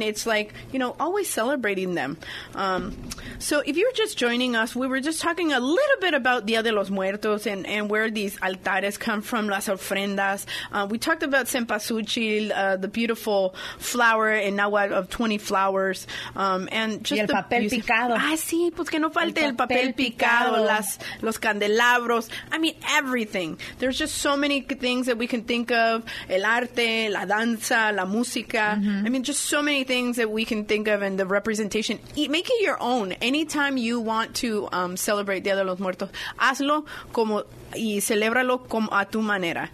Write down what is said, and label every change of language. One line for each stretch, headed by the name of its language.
English: It's like, you know, always celebrating them. So if you're just joining us, we were just talking a little bit about Dia de los Muertos and where these altares come from,
Spanish: las ofrendas.
English: We talked about cempasúchil, the beautiful flower in Nahuatl of 20 flowers. And just
Spanish: y el
English: the
Spanish: papel picado. Sí, pues que no falte el papel picado, los candelabros.
English: I mean, everything. There's just so many things that we can think of.
Spanish: El arte, la danza, la música.
English: Mm-hmm. I mean, just so many things that we can think of, and the representation. Make it your own. Anytime you want to celebrate Dia de los Muertos,
Spanish: hazlo como y celébralo como a tu manera.